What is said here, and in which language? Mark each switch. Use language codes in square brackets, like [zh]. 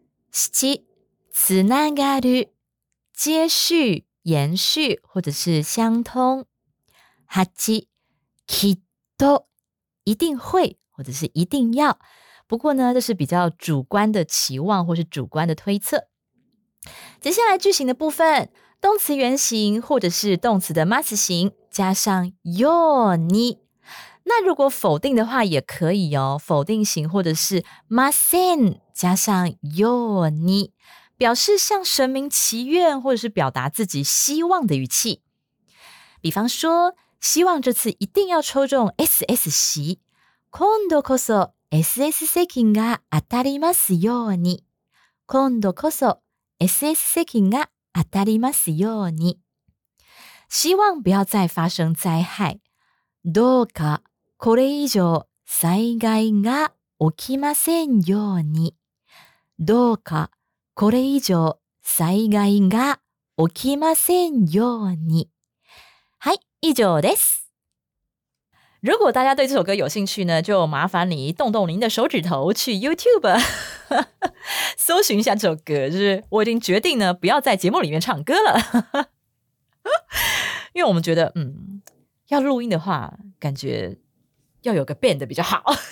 [zh] 七、つながる、接续、延续或者是相通。八、きっと、一定会或者是一定要。不过呢，这是比较主观的期望或是主观的推测。接下来句型的部分，动词原形或者是动词的 mas 形加上 ように。那如果否定的话也可以哦，否定形或者是 ません 加上 ように。表示向神明祈愿或者是表达自己希望的语气。比方说，希望这次一定要抽中 SS 席。 [ja] 今度こそ SS 席が当たりますように。今度こそ SS 席が当たりますように。 [zh] 希望不要再发生灾害。 [ja] どうかこれ以上災害が起きませんように。どうかこれ以上災害が起きませんように。はい、以上です。 [zh] 如果大家对这首歌有兴趣呢，就麻烦你动动您的手指头去 YouTube 搜寻一下这首歌。就是我已经决定呢，不要在节目里面唱歌了，因为我们觉得，要录音的话，感觉要有个 band 比较好。